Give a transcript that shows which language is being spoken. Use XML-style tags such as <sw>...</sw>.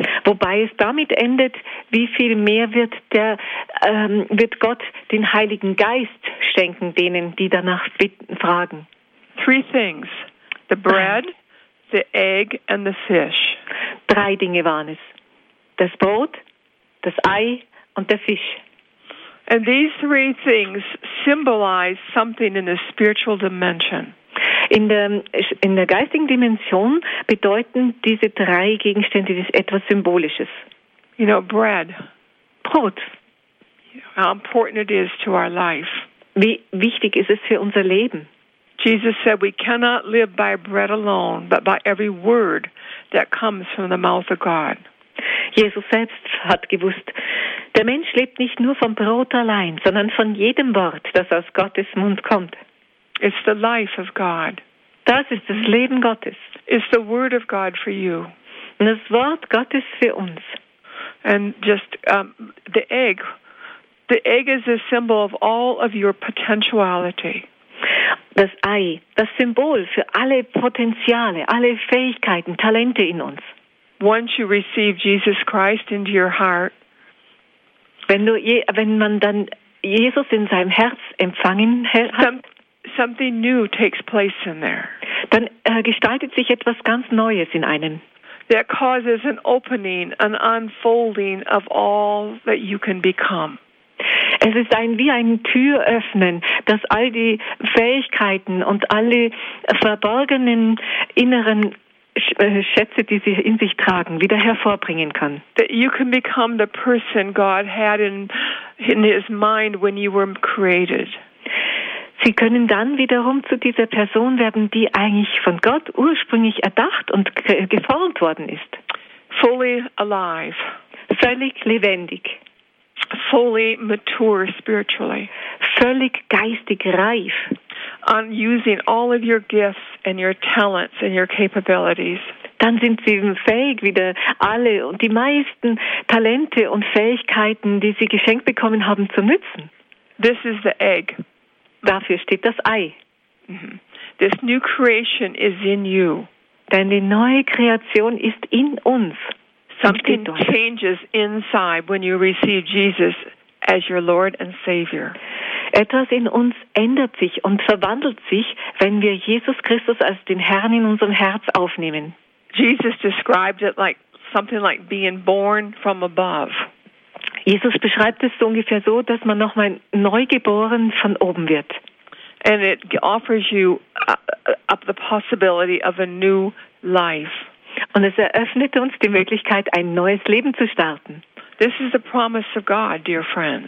<de>Wobei es damit endet: Wie viel mehr wird der wird Gott den Heiligen Geist schenken denen, die danach bitten, fragen?</de> <en>Three things: the bread, the egg, and the fish.</en> <de>Drei Dinge waren es: das Brot, das Ei und der Fisch.</de> <en>And these three things symbolize something in the spiritual dimension.</en> <de>In der geistigen Dimension bedeuten diese drei Gegenstände etwas Symbolisches.</de> <en>You know, bread.</en> <de>Brot.</de> <en>How important it is to our life.</en> <de>Wie wichtig ist es für unser Leben?</de> <en>Jesus said, "We cannot live by bread alone, but by every word that comes from the mouth of God."</en> <de>Jesus selbst hat gewusst, der Mensch lebt nicht nur vom Brot allein, sondern von jedem Wort, das aus Gottes Mund kommt.</de> <en>It's the life of God.</en> <de>Das ist das Leben Gottes.</de> <en>It's the word of God for you.</en> <de>Und das Wort Gottes für uns.</de> <en>And just the egg. The egg is a symbol of all of your potentiality.</en> <de>Das Ei, das Symbol für alle Potenziale, alle Fähigkeiten, Talente in uns.</de> <en>Once you receive Jesus Christ into your heart,</en> <de>wenn man dann Jesus in seinem Herz empfangen hat,</de> <en>something new takes place in there.</en> <de>Dann gestaltet sich etwas ganz Neues in einem.</de> <en>That causes an opening, an unfolding of all that you can become.</en> <de>Es ist wie ein Türöffnen, dass all die Fähigkeiten und alle verborgenen inneren Schätze, die sie in sich tragen, wieder hervorbringen kann.</de> <en>That you can become the person God had in his mind when you were created.</en> <de>Sie können dann wiederum zu dieser Person werden, die eigentlich von Gott ursprünglich erdacht und geformt worden ist.</de> <en>Fully alive.</en> <de>Völlig lebendig.</de> <en>Fully mature spiritually.</en> <de>Völlig geistig reif.</de> <en>On using all of your gifts and your talents and your capabilities.</en> <de>Dann sind sie eben fähig, wieder alle und die meisten Talente und Fähigkeiten, die sie geschenkt bekommen haben, zu nutzen.</de> <en>This is the egg.</en> <de>Dafür steht das Ei.</de> <en>This new creation is in you.</en> <de>Denn die neue Kreation ist in uns.</de> <en>Something changes inside when you receive Jesus as your Lord and Savior.</en> <de>Etwas in uns ändert sich und verwandelt sich, wenn wir Jesus Christus als den Herrn in unserem Herz aufnehmen.</de> <en>Jesus described it like something like being born from above.</en> <de>Jesus beschreibt es so ungefähr so, dass man nochmal neugeboren von oben wird.</de> <en>And it offers you up the possibility of a new life.</en> <de>Und es eröffnete uns die Möglichkeit, ein neues Leben zu starten.</de> <en>This is the promise of God, dear friends.</en>